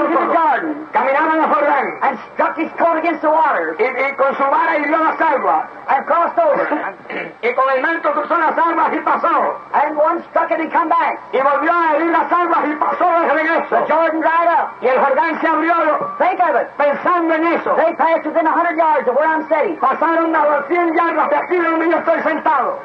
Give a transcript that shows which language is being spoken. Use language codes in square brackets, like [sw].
[en] Going to the garden. [es] Caminaron en el jardín. [en] And struck his coat against the water. [es] Y con su vara hirió las aguas. [en] And crossed over. [es] Y con el manto cruzó las aguas y pasó. [en] And one struck it and come back. [es] Y volvió a herir las aguas y pasó de regreso. [en] The Jordan dried up. [es] Y el jardín se abrió. [en] Think of it. [es] Pensando en eso. [en] They passed within 100 yards of where I'm sitting. [es] Pasaron a 100 yardas de aquí donde yo estoy sentado.